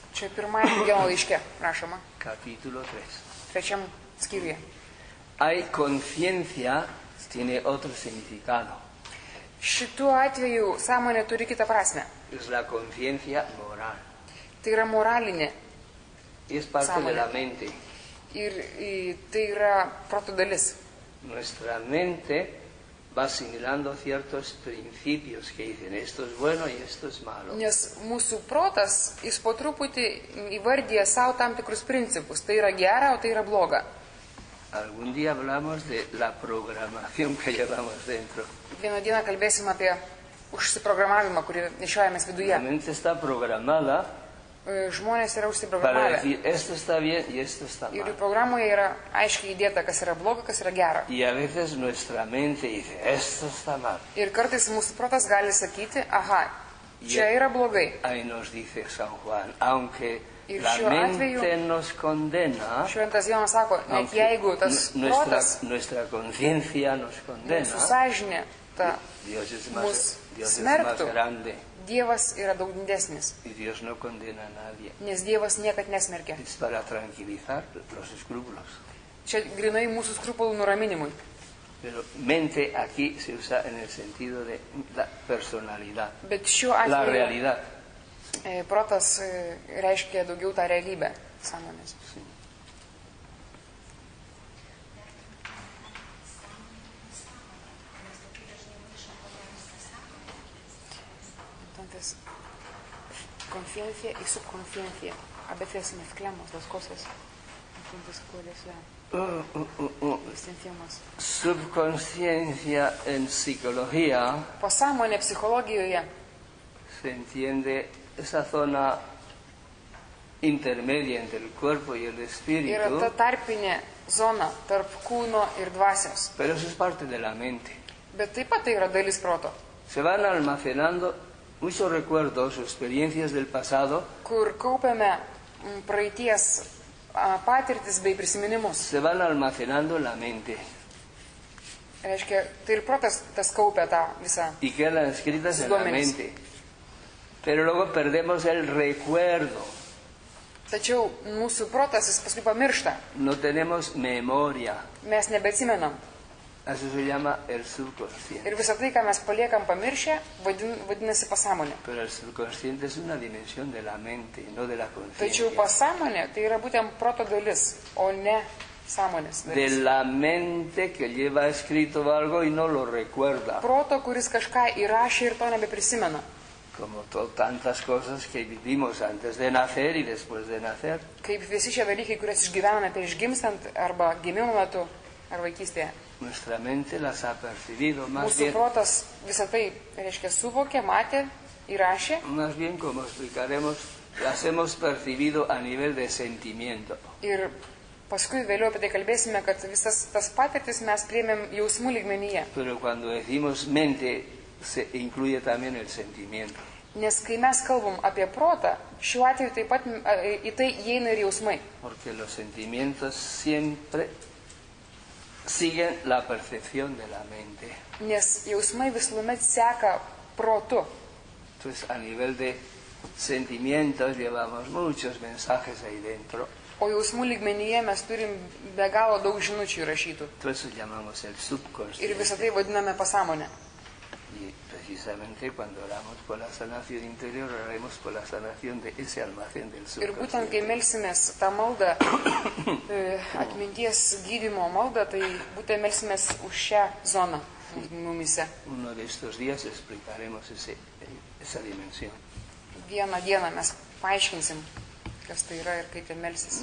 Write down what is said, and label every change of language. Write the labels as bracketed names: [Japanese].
[Lithuanian] Čia pirmąjį Jono laiškę rašoma. [Spanish] Capítulo 3. [Lithuanian] Trečiam skyriuje. [Spanish] Hay conciencia, tiene otro significado. [Lithuanian] Šituo atveju sąmonė turi kitą prasmę. [Spanish] Es la conciencia moral. [Lithuanian] Tai yra moralinė. [Spanish] Es parte [Lithuanian] sąmonė. [Spanish] De la mente. [Lithuanian] Ir tai yra proto dalis. [Spanish] Nuestra mente va asimilando ciertos principios que dicen esto es bueno y esto es malo. [Lithuanian] Nes mūsų protas, jis po truputį įvardyja savo tam tikrus principus. Tai yra gera, o tai yra bloga. [Spanish] Algún día hablamos de la programación que llevamos dentro. [Lithuanian] Vieną dieną kalbėsim apie užsiprogramavimą, kurį nešiojamės viduje. [Spanish] La mente está programada. [Lithuanian] Žmonės yra užsiprogramavę. [Spanish] Para decir, esto está bien y esto está mal. [Lithuanian] Ir programoje yra aiškiai įdėta, kas yra bloga, kas yra gera. [Spanish] Y a veces nuestra mente dice, esto está mal. [Lithuanian] Ir kartais mūsų protas gali sakyti, aha, čia yra blogai. [Spanish] Ahí nos dice San Juan, aunque la mente nos condena. [Lithuanian] Šventas Jonas sako, net jeigu tas protas, [Spanish] nuestra conciencia nos condena. [Lithuanian] Mūsų sąžinė, ta, [Spanish] Dios es más, Dios es más grande. [Lithuanian] Dievas yra daug didesnis. [Spanish] Y Dios no condena a nadie. [Lithuanian] Nes Dievas niekad nesmerkia. [Spanish] Es para tranquilizar los escrúpulos. [Lithuanian] Čia grinai mūsų skrupulų nuraminimui. [Spanish] Pero mente aquí se usa en el sentido de la personalidad. [Lithuanian] Bet šiuo atveju [Spanish] la realidad. [Lithuanian] Protas reiškia daugiau tą realybę sąmonės. [Spanish] Entonces, conciencia y subconsciencia. A veces mezclamos las cosas. Entonces, ¿cuál es la distinción más? Subconsciencia en psicología. Pasamos en la psicología. Se entiende esa zona intermedia entre el cuerpo y el espíritu. [Lithuanian] Yra ta tarpinė zona tarp kūno ir dvasios. [Spanish] Pero eso es parte de la mente. [Lithuanian] Bet taip pat tai yra dalis proto. [Spanish] Se van almacenando muchos recuerdos o experiencias del pasado. [Lithuanian] Kur kaupiame praeities patirtis bei prisiminimus. [Spanish] Se van almacenando la mente. [Lithuanian] Reiškia, tai ir protas tas kaupia tą visą. [Spanish] Y quedan escritas en la mente. Pero luego perdemos el recuerdo. [Lithuanian] Tačiau mūsų protas jis paskui pamiršta. [Spanish] No tenemos memoria. [Lithuanian] Mes nebeatsimenam. [Spanish] Eso se llama el subconsciente. [Lithuanian] Ir visą tai, ką mes paliekam pamiršę, vadinasi pasąmonė. [Spanish] Pero el subconsciente es una dimensión de la mente, no de la conciencia. [Lithuanian] Tačiau pasąmonė tai yra būtent proto dalis, o ne sąmonės dalis. [Spanish] De la mente que lleva escrito algo y no lo recuerda. [Lithuanian] Proto, kuris kažką įrašė ir to nebeprisimena. [Spanish] Como tantas cosas que vivimos antes de nacer y después de nacer. [Lithuanian] Kaip visi šie dalykai, kuriuos išgyvename prieš gimstant arba gimimo metu ar vaikystėje. [Spanish] Nuestra mente las ha percibido más bien. [Lithuanian] Mūsų protas visą tai, reiškia, suvokė, matė, įrašė. [Spanish] Más bien, como explicaremos, las hemos percibido a nivel de sentimiento. [Lithuanian] Ir paskui vėliau apie tai kalbėsime, kad visas tas patirtis mes priėmėm jausmų lygmenyje. [Spanish] Pero cuando decimos mente, se incluye también el sentimiento. [Lithuanian] Nes kai mes kalbam apie protą, šiuo atveju taip pat į tai įeina ir jausmai. [Spanish] Porque los sentimientos siempre siguen la percepción de la mente. [Lithuanian] Nes jausmai visuomet seka protu. [Spanish] Entonces, a nivel de sentimientos llevamos muchos mensajes ahí dentro. [Lithuanian] O jausmų lygmenyje mes turim be galo daug žinučių įrašytų. [Spanish] Entonces, llamamos el subconsciente. [Lithuanian] Ir visą tai vadiname pasąmonę. [Spanish] Y precisamente cuando oramos por la sanación interior, oraremos por la sanación de ese almacén del subconsciente. [Lithuanian] Ir būtent, kai melsimės tą maldą, atminties gydymo maldą, tai būtent melsimės už šią zoną mumise. [Spanish] Uno de estos días explicaremos esa dimensión. [Lithuanian] vieną dieną mes paaiškinsim, kas tai yra ir kaip jie melsis.